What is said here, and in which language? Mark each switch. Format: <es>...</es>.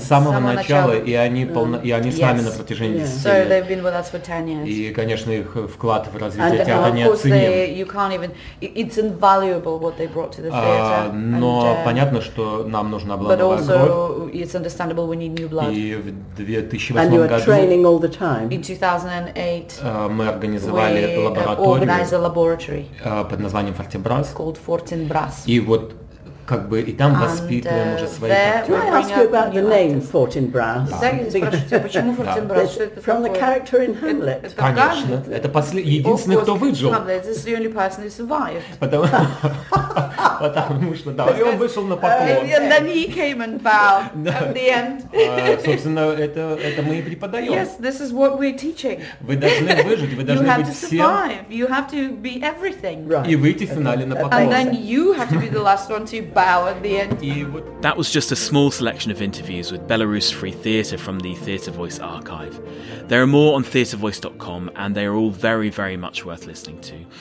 <ru>С самого начала, и они, и они с нами на протяжении 10 лет.</ru> <en>So they've been with us for 10 years.</en> <ru>И, конечно, их вклад в развитие театра неоценим.</ru> <en>You can't even, it's invaluable what they brought to the theater.</en> <ru>Но понятно, что нам нужна была новая кровь.</ru> <en>It's understandable we need new blood.</en> <ru>И в 2008 году</ru> <en>training all the time. In 2008,</en> <ru>мы организовали лабораторию,</ru> <en>laboratory</en> <ru>под названием Фортебрас.</ru> <en>Called Fortinbras.</en> <ru>И вот как бы и там воспитываем уже своих актеров.</ru> <en>Can I ask you about the name Fortinbras?</en> <ru>Почему Фортинбрас?</ru> <en>From the character in Hamlet.</en> <ru>Конечно, это единственный, кто выжил.</ru> <en>This is the only person who survived.</en> <ru>Потому Потому что, да, и он вышел на поклон.</ru> <en>And then he came and bowed no. at the end.</en> <ru>Собственно, это мы и преподаем.</ru> <en>Yes, this is what we're teaching.</en> <ru>Вы должны выжить, вы должны быть всем.</ru> <en>You have to survive, you have to be everything.</en> <ru>Right. И выйти в финале на поклон.</ru> <en>And then you have to be the last one to bow at the end. That was just a small selection of interviews with Belarus Free Theatre from the TheatreVoice archive. There are more on TheatreVoice.com and they are all very, very much worth listening to.</en>